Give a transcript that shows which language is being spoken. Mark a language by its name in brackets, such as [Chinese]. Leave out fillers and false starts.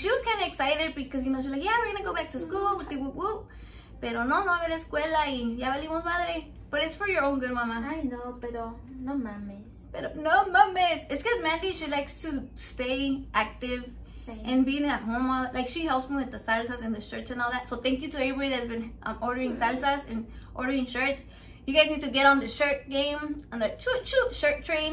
[English] She was kind of excited because, you know, she's like, yeah, we're going to go back to school. Woo-woo-woo. [Spanish] Pero no, no haber escuela y ya valimos madre. [English] But it's for your own good, mama. I know, [Spanish] pero no mames. Pero no mames. [English] It's because Mandy, she likes to stay active. Same. And being at home, all, like, she helps me with the salsas and the shirts and all that. So thank you to everybody that's been ordering salsas and ordering shirts. You guys need to get on the shirt game, on the choo choo shirt train.